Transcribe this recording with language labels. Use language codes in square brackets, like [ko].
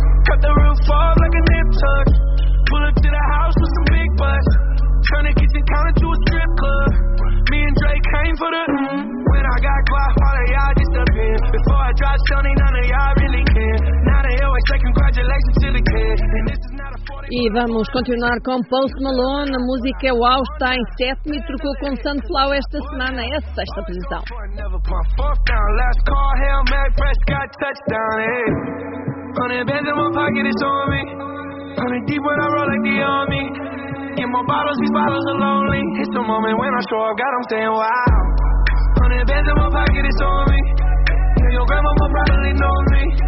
[en] Cut the roof off like a nip tuck. Pull up to the house with some big butts. Turn the kitchen counter to a strip club. Me and Dre came for the When I got quiet, all of y'all disappeared. Before I drop Sony, none of y'all really care. Now they always say congratulations to the kid. And this is not a 40. [pt] E vamos continuar com Post Malone. A música é Wow, está em sétimo e trocou com Sunflower esta semana. É a sexta posição. [en] Last call, Hail Mary, Prescott, touchdown, hey. 100 bands in my pocket, it's on me. 100 deep when I roll like the army. Get more bottles, these bottles are lonely. It's the moment when I show up, God, I'm staying wild. 100 bands in my pocket, it's on me. Yeah, your grandma will probably know me.